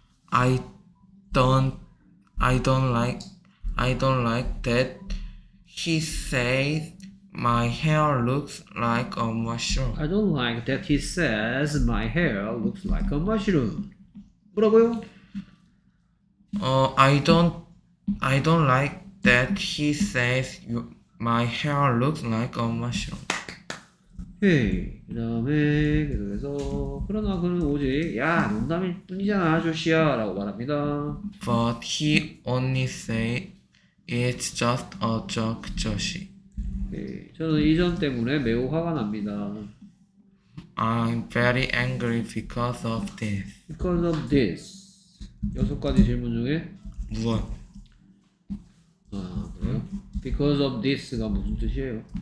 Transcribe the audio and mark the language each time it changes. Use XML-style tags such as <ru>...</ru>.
<en>I don't like that he says my hair looks like a mushroom. I don't like that he says my hair looks like a mushroom.</en> <ko>뭐라고요?</ko> <en>I don't like that he says my hair looks like a mushroom.</en> <ko>오케이. 그래서 그러나 그는 오직 야 농담일 뿐이잖아 아저씨야 라고 말합니다.</ko> <en>But he only said it's just a joke, 조시.</en> <ko>오케이. 저는 이 점 때문에 매우 화가 납니다.</ko> <en>I'm very angry because of this. Because of this.</en> <ko>여섯 가지 질문 중에 무엇? 아 그래요?</ko> <en>Because of this</en> <ko>가 무슨 뜻이에요?</ko>